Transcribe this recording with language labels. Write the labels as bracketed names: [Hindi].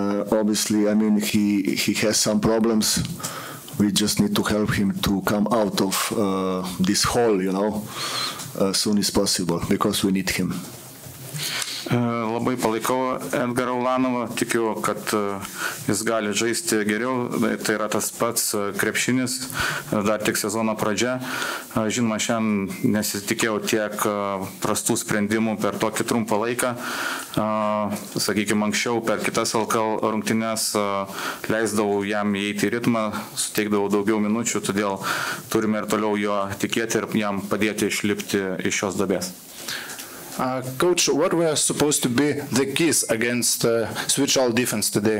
[English] Obviously, I mean, he has some problems. We just need to help him to come out of this hole, you know, as soon as possible, because we need him. [Lithuanian] Labai palaikau Edgarą Ulanovą, tikiu, kad jis gali žaisti geriau, tai yra tas pats krepšinis, dar tik sezono pradžia. Žinoma, šiandien nesitikėjau tiek prastų sprendimų per tokį trumpą laiką. Sakykime, anksčiau per kitas LKL rungtynes leisdavau jam įeiti į ritmą, suteikdavau daugiau minučių, todėl turime ir toliau jo tikėti ir jam padėti išlipti iš šios duobės. [English] Coach, what were supposed to be the keys against switch-all defense today?